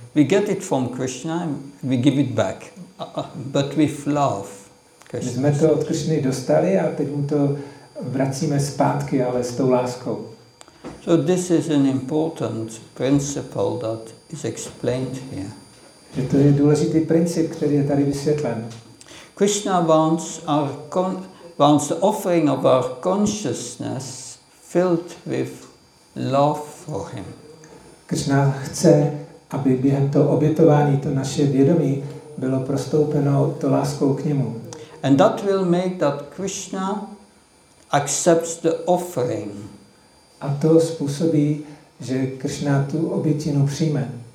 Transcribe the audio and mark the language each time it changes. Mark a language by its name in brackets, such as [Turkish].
[English] We get it from Krishna and we give it back. But with love. [Czech] Krishna. My jsme to od Krishny dostali a teď mu to vracíme zpátky, ale s tou láskou. [English] So this is an important principle that is explained here. [Czech] Že to je důležitý princip, který je tady vysvětlen. [English] Krishna wants the offering of our consciousness filled with love for him. [Czech] Krishna chce, aby během toho obětování to naše vědomí bylo prostoupeno to láskou k němu. [English] And that will make that Krishna accepts the offering. [Czech] A to způsobí, že Krishna tu obětinu přijme.